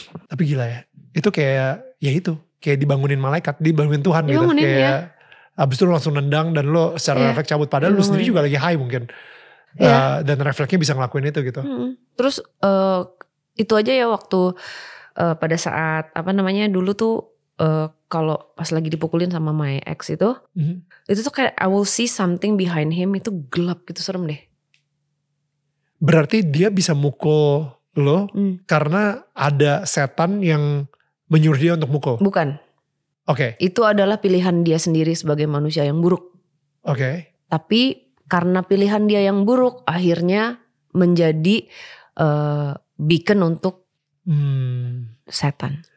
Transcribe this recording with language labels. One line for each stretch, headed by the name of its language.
Indonesian: Tapi gila ya, itu kayak, ya itu, kayak dibangunin malaikat, dibangunin Tuhan gitu. Dibangunin ya. Abis itu lo langsung nendang dan lo secara refleks cabut. Padahal lo sendiri juga lagi high mungkin. Dan refleksnya bisa ngelakuin itu gitu. Terus itu aja ya waktu pada saat apa namanya dulu tuh. Kalau pas lagi dipukulin sama
English: my ex
Indonesian: itu. Itu tuh kayak
English: I will see something behind him.
Indonesian: Itu gelap gitu, serem deh. Berarti dia bisa mukul lo karena ada setan yang menyuruh dia untuk mukul? Bukan. Okay. Itu adalah pilihan dia sendiri sebagai manusia yang buruk. Okay. Tapi karena pilihan dia yang buruk, akhirnya menjadi beacon untuk setan.